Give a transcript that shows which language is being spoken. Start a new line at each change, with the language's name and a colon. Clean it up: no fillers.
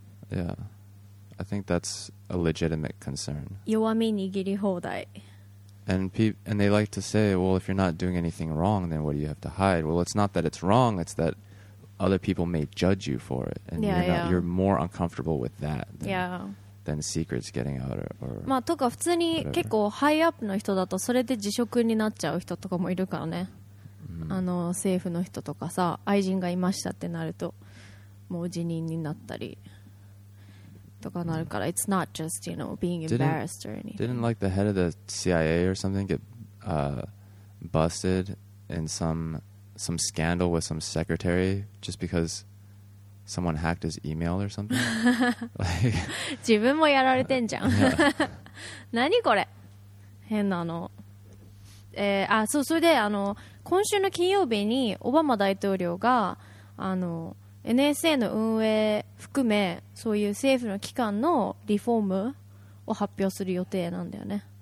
English: Yeah. I think that's a legitimate concern.
Japanese: 弱み握り放題。
English: And they like to say, well, if you're not doing anything wrong, then what do you have to hide? Well, it's not that it's wrong, it's that other people may judge you for it. And you're more uncomfortable with that than secrets getting out or
Japanese: まあ、とか普通に結構ハイアップの人だとそれで辞職になっちゃう人とかもいるからね。あの政府の人とかさ愛人がいましたってなるともう辞任になったりとかなるから
English: It's not just, you know, being embarrassed or anything. Didn't like the head of the CIA or something get busted in some scandal with some secretary just because someone hacked his email or something?
Japanese: 自分もやられてんじゃん何これ変なのあそうそれであの今週の金曜日にオバマ大統領があの NSA の運営含めそういう政府の機関のリフォームを発表する予定なんだよね